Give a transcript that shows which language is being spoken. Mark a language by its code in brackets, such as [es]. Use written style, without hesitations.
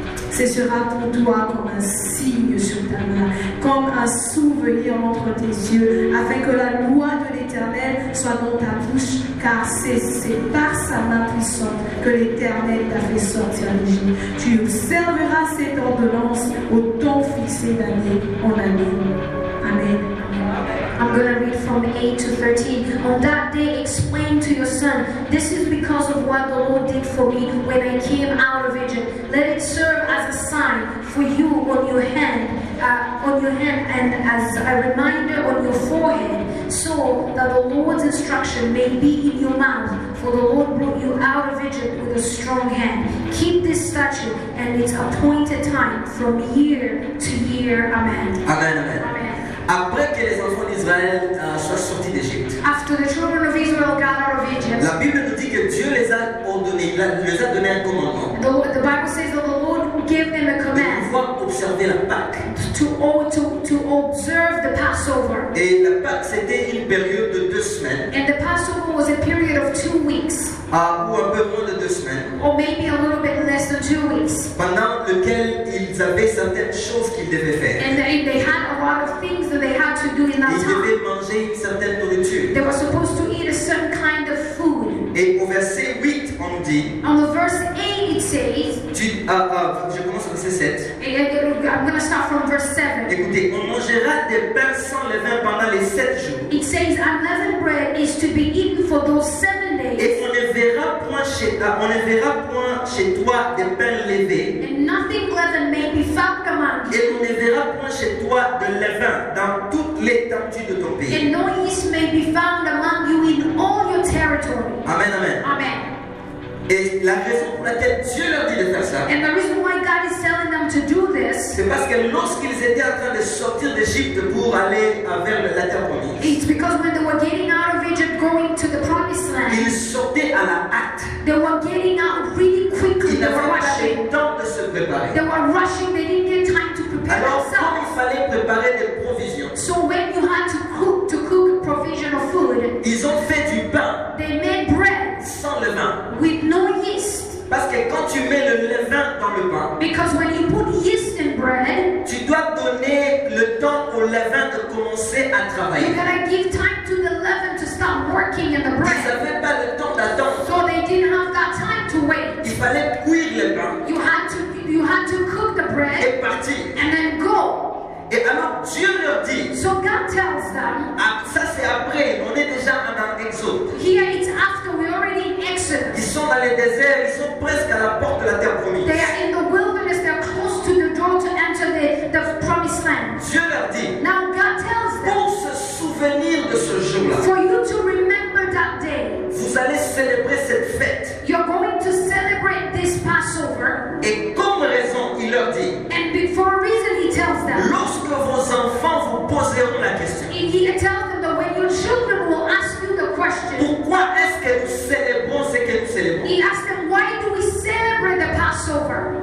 [fr] Ce sera pour toi comme un signe sur ta main, comme un souvenir entre tes yeux, afin que la loi de l'Éternel soit dans ta bouche, car c'est par sa main puissante que l'Éternel t'a fait sortir d'Égypte. Tu observeras cette ordonnance au temps fixé d'année en année. Amen. [en] I'm going to read from 8 to 13. On that day, explain to your son, this is because of what the Lord did for me when I came out of Egypt. Let it serve as a sign for you on your hand and as a reminder on your forehead, so that the Lord's instruction may be in your mouth. For the Lord brought you out of Egypt with a strong hand. Keep this statute and its appointed time from year to year. Amen. Amen. Amen. Amen. [fr] Après que les enfants d'Israël soient sortis d'Égypte, [en] after the children of Israel got out of Egypt, [fr] la Bible nous dit que Dieu les a ordonné, les a donné un commandement. [en] The Bible says that the Lord gave them a command. [fr] De pouvoir observer la Pâque. [en] To observe the Passover. [fr] Et la Pâque c'était une période de 2 semaines. [en] And the Passover was a period of 2 weeks. [fr] Ou un peu moins de 2 semaines. [en] Or maybe a little bit less than 2 weeks. [fr] Pendant lequel ils avaient certaines choses qu'ils devaient faire. [en] And they had a lot of things that they had to do in that time. [fr] Ils devaient manger une certaine nourriture. [en] They were supposed to eat a certain kind of food. [fr] Et au verset 8, on nous dit. [en] On the verse 8, it says. [fr] Je commence au verset 7. [en] I'm going to start from verse 7. [fr] Écoutez, on mangera des pains sans levain pendant les 7 jours. [en] It says unleavened bread is to be eaten for those 7 days. [fr] Et on ne verra point chez toi des pains levés. [en] And nothing leavened may be found among you. [fr] Et on ne verra point chez toi de levain dans toute l'étendue de ton pays. [en] And no yeast may be found among you in all your territory. [fr] Amen, amen. [en] Amen. [fr] Et la raison pour laquelle Dieu leur dit de faire ça. [en] And the reason why God is telling them to do this. [fr] C'est parce que lorsqu'ils étaient en train de sortir d'Égypte pour aller vers la terre promise. [en] It's because when they were getting out of Egypt, going to the promised land. [fr] Ils sortaient à la hâte. [en] They were getting out really quickly. [fr] Ils avaient pas le temps de se préparer. [en] They were rushing. They didn't get time to prepare themselves. [fr] Alors, quand il fallait préparer des provisions. [en] So when you had to cook a provision of food. [fr] Ils ont fait du pain. [en] They made bread. [fr] Sans levain. [en] With no yeast. [fr] Parce que quand tu mets le levain dans le pain. [en] Because when you put yeast in bread. [fr] Tu dois donner le temps au levain de commencer à travailler. [en] You gotta give time to the leaven to start working in the bread. [fr] Ils n'avaient pas le temps d'attendre. [en] So they didn't have that time to wait. [fr] Il fallait cuire le pain. [en] You had to cook the bread. [fr] Et partir. [en] And then go. [fr] Et alors Dieu leur dit. [en] So God tells them. [fr] Ça c'est après. On est déjà dans Exode. [en] Here it's after we already in Exodus. [fr] Ils sont dans les déserts. Ils sont presque à la porte de la terre promise. [en] They are in the wilderness. They are close to the door to enter the promised land. [fr] Dieu leur dit. [en] Now God tells them. [fr] Pour se souvenir de ce jour-là. [en] For you to remember that day. [fr] Vous allez célébrer cette fête. [en] You're going to celebrate this Passover. [fr] Et comme raison, il leur dit. [en] And before reason, he tells them. [fr] Lorsque vos enfants vous poseront la question. [en] And he tells them that when your children will ask you the question. [fr] Pourquoi est-ce que nous célébrons ce que nous célébrons? [en] He asks them, why do we celebrate the Passover?